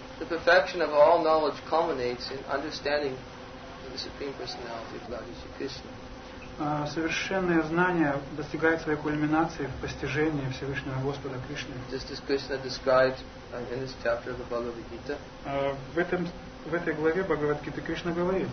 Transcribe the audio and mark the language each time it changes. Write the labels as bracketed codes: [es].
[en] The perfection of all knowledge culminates in understanding the Supreme Personality of Godhead Shri Krishna. [ru] Совершенное знание достигает своей кульминации в постижении Всевышнего Господа Кришны. [en] Just as Krishna described in this chapter of the Bhagavad Gita. [ru] В этом в этой главе Бхагавад Гита Кришна говорит.